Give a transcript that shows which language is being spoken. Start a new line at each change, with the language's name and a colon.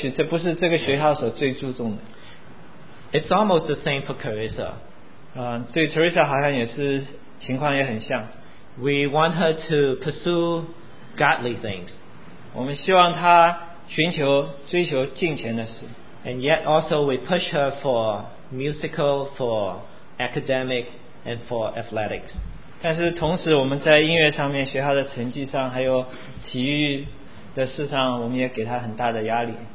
Chinese: 但是我把她送到一个学校，也许这不是这个学校所最注重的。
English: It's almost the same for Teresa.
Chinese: 对 Teresa 好像也是情况也很像。
English: We want her to pursue godly things.
Chinese: 我们希望她追求敬虔的事。
English: And yet also we push her for musical, for academic, and for athletics.
Chinese: 但是同时我们在音乐上面，学校的成绩上，还有体育的事上，我们也给她很大的压力。